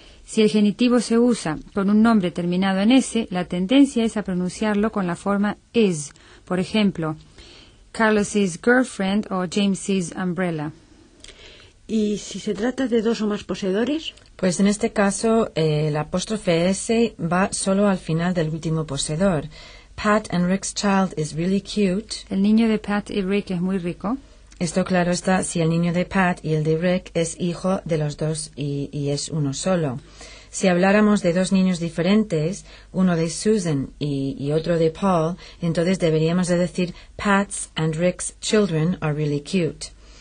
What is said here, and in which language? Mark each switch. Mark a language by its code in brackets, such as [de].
[es] Si el genitivo se usa con un nombre terminado en S, la tendencia es a pronunciarlo con la forma is. Por ejemplo, [en] Carlos's girlfriend [es] o [en] James's umbrella. [es] ¿Y si se trata de dos o más poseedores? Pues en este caso, el apóstrofe S va solo al final del último poseedor. [en] Pat and Rick's child is really cute. [es] El niño de Pat y Rick es muy rico. Esto claro está si el niño de Pat y el de Rick es hijo de los dos y es uno solo. Si habláramos de dos niños diferentes, uno de Susan y otro de Paul, entonces deberíamos de decir [en] Pat's and Rick's children are really cute.